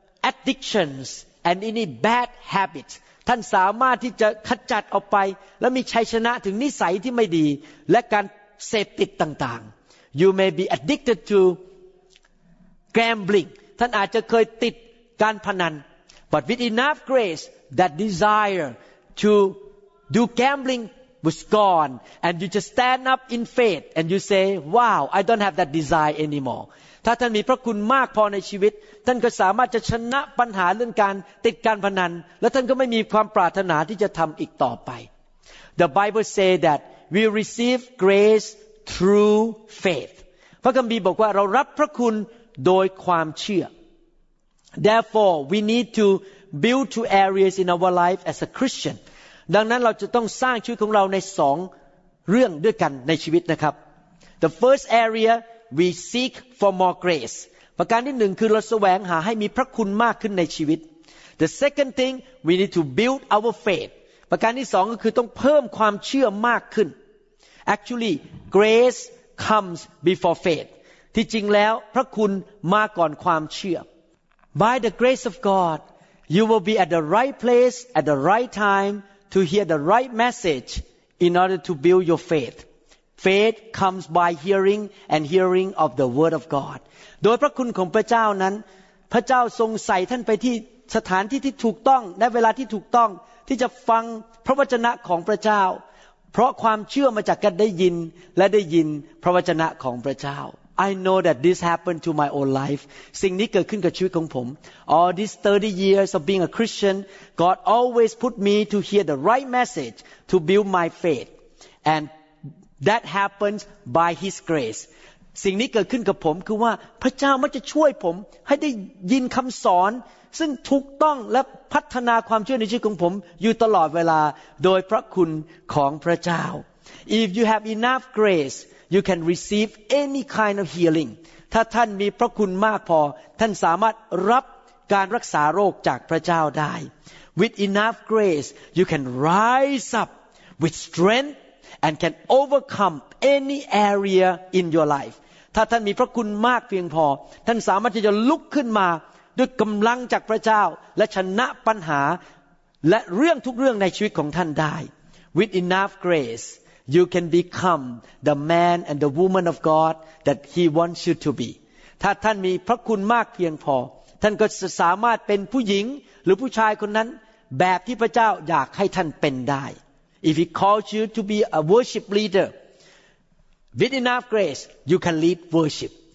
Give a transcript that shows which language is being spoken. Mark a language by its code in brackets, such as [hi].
[en] addictions and any bad habits [th] ท่านสามารถที่จะขจัดออกไปและมีชัยชนะถึงนิสัยที่ไม่ดีและการเสพติดต่างๆ [en] You may be addicted to gambling [th] ท่านอาจจะเคยติดการพนัน [en] But with enough grace that desire to do gambling was gone, and you just stand up in faith and you say, "Wow, I don't have that desire anymore." [th] ถ้าท่านมีพระคุณมากพอในชีวิตท่านก็สามารถจะชนะปัญหาเรื่องการติดการพนันและท่านก็ไม่มีความปรารถนาที่จะทำอีกต่อไป [en] The Bible say that we receive grace through faith. [th] พระคัมภีร์บอกว่าเรารับพระคุณโดยความเชื่อ [en] Therefore, we need to build two areas in our life as a Christian. [th] ดังนั้นเราจะต้องสร้างชีวิตของเราในสองเรื่องด้วยกันในชีวิตนะครับ [en] The first area we seek for more grace [th] ประการที่หนึ่งคือเราแสวงหาให้มีพระคุณมากขึ้นในชีวิต [en] The second thing we need to build our faith [th] ประการที่สองก็คือต้องเพิ่มความเชื่อมากขึ้น [en] Actually grace comes before faith [th] ที่จริงแล้วพระคุณมาก่อนความเชื่อ [en] By the grace of God you will be at the right place at the right timeTo hear the right message in order to build your faith. Faith comes by hearing and hearing of the word of God. [th] โดยพระคุณของพระเจ้านั้นพระเจ้าทรงใส่ท่านไปที่สถานที่ที่ถูกต้องในเวลาที่ถูกต้องที่จะฟังพระวจนะของพระเจ้าเพราะความเชื่อมาจากการได้ยินและได้ยินพระวจนะของพระเจ้า [en] I know that this happened to my own life. [th] สิ่งนี้เกิดขึ้นกับชีวิตของผม. [en] All these 30 years of being a Christian, God always put me to hear the right message to build my faith. And that happens by His grace. [th] สิ่งนี้เกิดขึ้นกับผมคือว่าพระเจ้ามักจะช่วยผมให้ได้ยินคำสอนซึ่งถูกต้องและพัฒนาความเชื่อในชีวิตของผมอยู่ตลอดเวลาโดยพระคุณของพระเจ้า. [en] If you have enough grace,You can receive any kind of healing. [th] ถ้าท่านมีพระคุณมากพอท่านสามารถรับการรักษาโรคจากพระเจ้าได้ [en] With enough grace, you can rise up with strength and can overcome any area in your life. [th] ถ้าท่านมีพระคุณมากเพียงพอท่านสามารถที่จะลุกขึ้นมาด้วยกำลังจากพระเจ้าและชนะปัญหาและเรื่องทุกเรื่องในชีวิตของท่านได้ [en] With enough graceYou can become the man and the woman of God that He wants you to be. [th] ถ้าท่านมีพระคุณมากเพียงพอท่านก็จะสามารถเป็นผู้หญิงหรือผู้ชายคนนั้นแบบที่พระเจ้าอยากให้ท่านเป็นได้ [en] If He calls you to be a worship leader, with enough grace, you can lead worship.